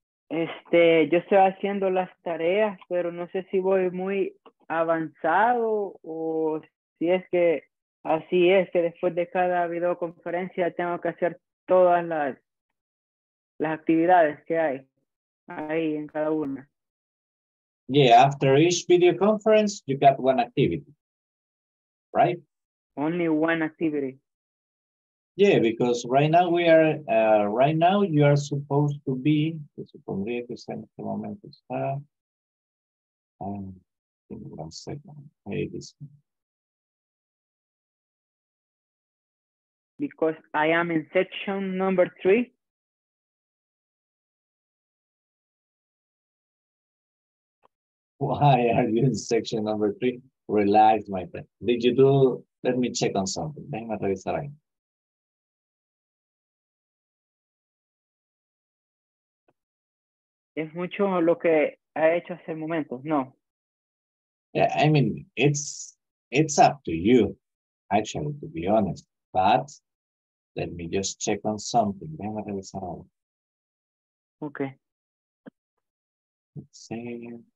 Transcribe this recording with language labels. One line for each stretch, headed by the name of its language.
Spanish: Yo estoy haciendo las tareas, pero no sé si voy muy avanzado o si es que así es que después de cada videoconferencia tengo que hacer todas las actividades que hay ahí en cada una.
English: Yeah, after each video conference, you got one activity, right? Only one activity. Yeah, because right now we are, right now you are supposed to be,
Spanish: supongría que está en este momento, está.
English: One second. Hey, this one. Because I am in section number 3. Why are you in section number 3? Relax, my friend. Did you do, let me check on something.
Spanish: Déjame revisar ahí. Es mucho lo que ha hecho hasta el momento, no.
English: Yeah, I mean, it's up to you, actually, to be honest. But let me just check on something.
Spanish: Déjame revisar algo.
English: Okay. Let's see.